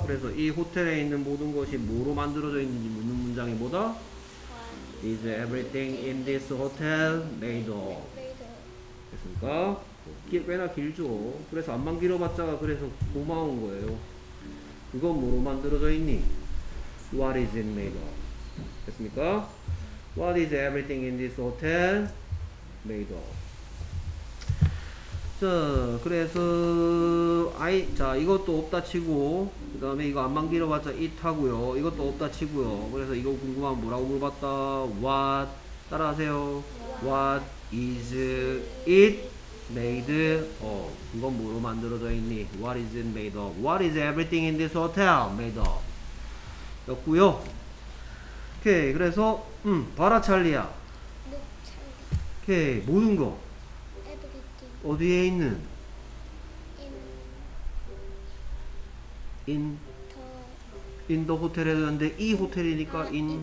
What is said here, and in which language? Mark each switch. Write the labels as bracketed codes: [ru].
[ko] 그래서 이 호텔에 있는 모든 것이 뭐로 만들어져 있는지 묻는 문장이 뭐다? [en] Is everything in this hotel made of? [ko] 됐습니까? 꽤나 길죠. 그래서 안만 길어봤자가 그래서 고마운 거예요. 그건 뭐로 만들어져 있니? [en] What is it made of? [ko] 됐습니까? [en] What is everything in this hotel made of? [ko] 자, 그래서 자 이것도 없다 치고 그 다음에 이거 안만 길어봤자 it 하고요. 이것도 없다 치고요. 그래서 이거 궁금하면 뭐라고 물어봤다? [en] What [ko] 따라하세요. [en] What is it made of? [ko] 이건 뭐로 만들어져 있니? [en] What is it made of? What is everything in this hotel made of? [ko] 였고요. 오케이, 그래서 봐라 찰리야. 오케이, 모든 거 어디에 있는? [en] In the hotel [ko] 했는데 이 호텔이니까 in